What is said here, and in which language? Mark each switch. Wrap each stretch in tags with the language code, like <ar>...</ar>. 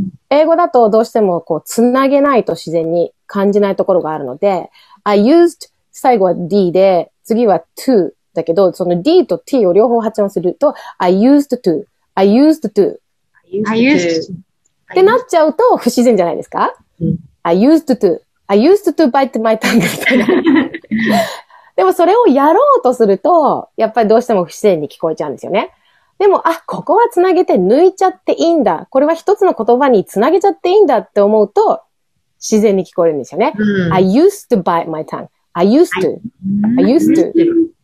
<ja>英語だとどうしてもこう、つなげないと自然に感じないところがあるので、I used 最後は D で、次は to だけど、その D と T を両方発音すると、</ja> <en>I used to, I used to, I used to</en> <ja>ってなっちゃうと不自然じゃないですか、うん、</ja> <en>?I used to, I used to bite my tongue みたいな。</en> <ja>でもそれをやろうとすると、やっぱりどうしても不自然に聞こえちゃうんですよね。でも、あ、ここはつなげて抜いちゃっていいんだ。これは一つの言葉につなげちゃっていいんだって思うと、自然に聞こえるんですよね。うん、</ja> <en>I used to bite my tongue. I used to. I used to.</en>